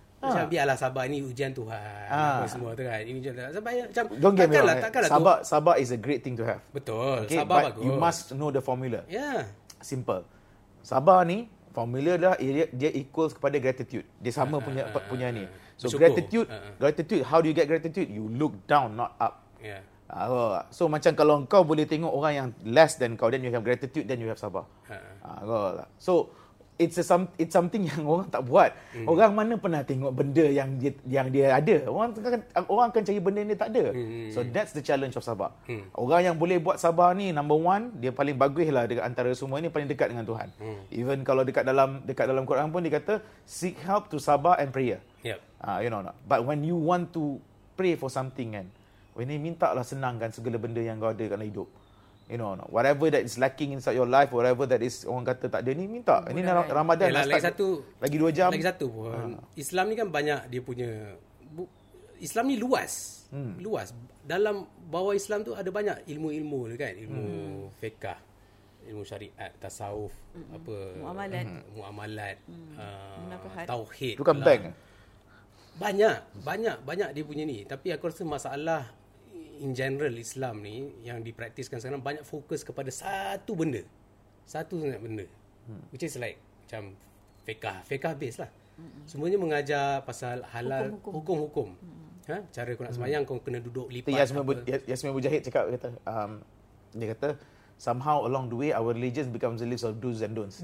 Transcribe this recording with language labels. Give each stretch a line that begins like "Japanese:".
Malay: Macam biarlah sabar, ini ujian Tuhan. Semua tu kan. Ini ujian Tuhan. Sabar, macam,
English: don't get me wrong. Sabar is a great thing to have.
Malay: Betul. Okay? Sabar
English: but
Malay: bagus.
English: You must know the formula. Yeah.
Malay: Simple. Sabar ni, formula dah, dia equals kepada gratitude. Dia sama punya ni. So bersyukur.
English: Gratitude, how do you get gratitude? You look down, not up. Yeah. So
Malay: macam kalau kau boleh tengok orang yang
English: less than kau, then you have gratitude, then you have sabar. So, it's something
Malay: yang orang tak buat. Orang mana pernah tengok benda yang dia ada? Orang akan cari benda yang dia tak ada.
English: So that's the challenge of sabar.
Malay: Orang yang boleh buat sabar ni, number one, dia paling bagus lah dengan antara semua ni, paling dekat dengan Tuhan.
English: Even
Malay: kalau dekat dalam Quran pun dikata,
English: seek help to sabar and prayer. You know not? But when you want to pray for something kan, when you minta lah senangkan segala benda yang kau ada dalam hidup. You know, whatever that is lacking inside your life, whatever that is
Malay: orang kata tak ada ni, minta. Ini Ramadan. Yalah, lagi satu. Lagi dua jam. Lagi satu pun. Islam ni kan banyak dia punya. Islam ni luas. Luas. Dalam bawah Islam tu ada banyak ilmu-ilmu kan. Ilmu fiqah, ilmu syariat, tasawuf, apa. Muamalat. Muamalat. Tauhid. Bukan lah. Bank. Banyak dia punya ni. Tapi aku rasa masalah in general Islam ni yang dipraktiskan sekarang banyak fokus kepada satu benda. Satu sangat benda.
English: Which is like macam fiqah based lah.
Malay: Semuanya mengajar pasal halal, hukum-hukum. Cara kau nak sembahyang, kau kena duduk lipat.
English: Yasmin Abu Jahid
Malay: cakap, dia kata
English: somehow along the way our religion becomes a list of do's and don'ts.